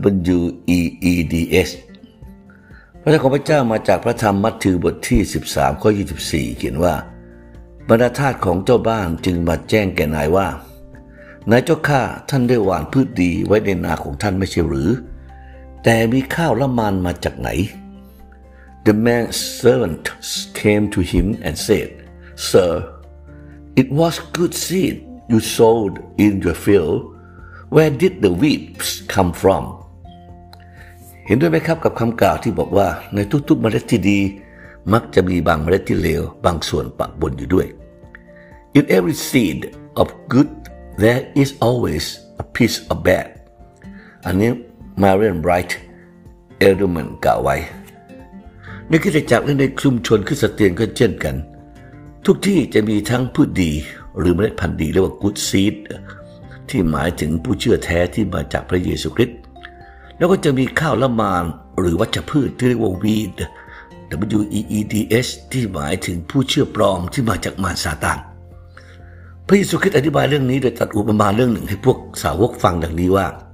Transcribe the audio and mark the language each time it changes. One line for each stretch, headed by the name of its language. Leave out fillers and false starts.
Thai: WEEDS พระเจ้าของพระเจ้ามาจากพระธรรมมัทธิวบทที่13ข้อ24เขียนว่าบรรดาทาสของเจ้าบ้านจึงมาแจ้งแก่นายว่านายเจ้าข้าท่านได้หว่านพืชดีไว้ในนาของท่านไม่ใช่หรือแต่มีข้าวละมานมาจากไหน
English: The man's servant came to him and said, Sir, it was good seed you sowed in your field. Where did the weeds come from?
Thai: เห็นด้วยไหมครับกับคำกล่าวที่บอกว่าในทุกๆเมล็ดที่ดีมักจะมีบางเมล็ดที่เลวบางส่วนปะปนอยู่ด้วย
English: In every seed of good, there is always a piece of bad.
Thai: อันนี้Marian Bright Edelman กล่าวไว้นึกคิดจากในชุมชนคริสเตียนก็เช่นกันทุกที่จะมีทั้งพืชดีหรือเมล็ดพันธุ์ดีเรียกว่า Good Seed ที่หมายถึงผู้เชื่อแท้ที่มาจากพระเยซูคริสต์แล้วก็จะมีข้าวละมานหรือวัชพืชที่เรียกว่า Weed WEEDS ที่หมายถึงผู้เชื่อปลอมที่มาจากมารซาตานพระเยซูคริสต์อธิบายเรื่องนี้โดยตัดอุปมาเรื่องหนึ่งให้พวกสาวกฟังดังนี้ว่า